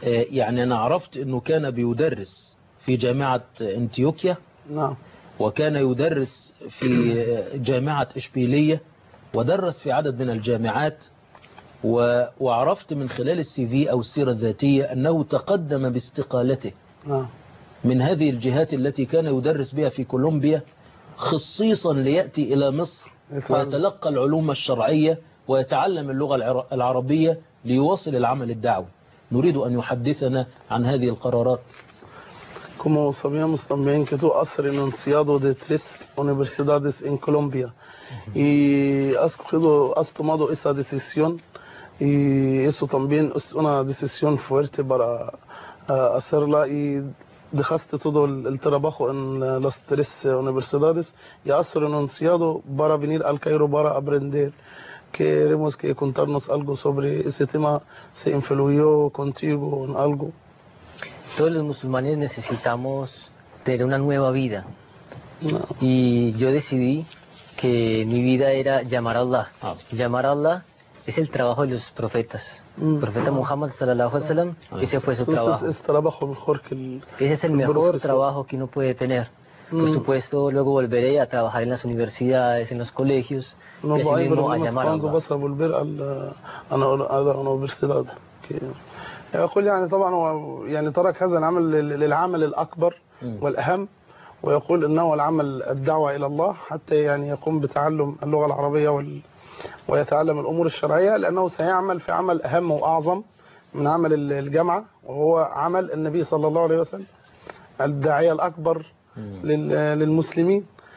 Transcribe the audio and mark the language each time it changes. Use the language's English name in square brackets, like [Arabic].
[Arabic] يعني أنا عرفت أنه كان بيدرس في جامعة أنتيوكيا، وكان يدرس في جامعة إشبيلية، ودرس في عدد من الجامعات، وعرفت من خلال السي في أو السيرة الذاتية أنه تقدم باستقالته من هذه الجهات التي كان يدرس بها في كولومبيا خصيصا ليأتي إلى مصر ويتلقى العلوم الشرعية ويتعلم اللغة العربية ليواصل العمل الدعوي. نريد أن يحدثنا عن هذه القرارات. [Spanish] Como sabíamos también que tu has renunciado de 3 universidades en Colombia y has tomado esa decisión y eso también es una decisión fuerte para hacerla y dejaste todo el trabajo en las 3 universidades y has renunciado para venir al Cairo para aprender. Queremos que contarnos algo sobre ese tema, se influyó contigo en algo. Todos los musulmanes necesitamos tener una nueva vida. Y yo decidí que mi vida era llamar a Allah. Llamar a Allah es el trabajo de los profetas. El profeta Muhammad sallallahu alaihi wasallam, ese fue su trabajo. Es trabajo mejor que el ese es el mejor profesor. Trabajo que uno puede tener. Por supuesto, luego volveré a trabajar en las universidades, en los colegios. No va a ir cuando vas a volver a la universidad. [Arabic] يقول يعني طبعا يعني ترك هذا العمل للعمل الأكبر والأهم، ويقول إنه العمل الدعوة إلى الله حتى يعني يقوم بتعلم اللغة العربية ويتعلم الأمور الشرعية، لأنه سيعمل في عمل أهم وأعظم من عمل الجامعة، وهو عمل النبي صلى الله عليه وسلم الداعية الأكبر للمسلمين.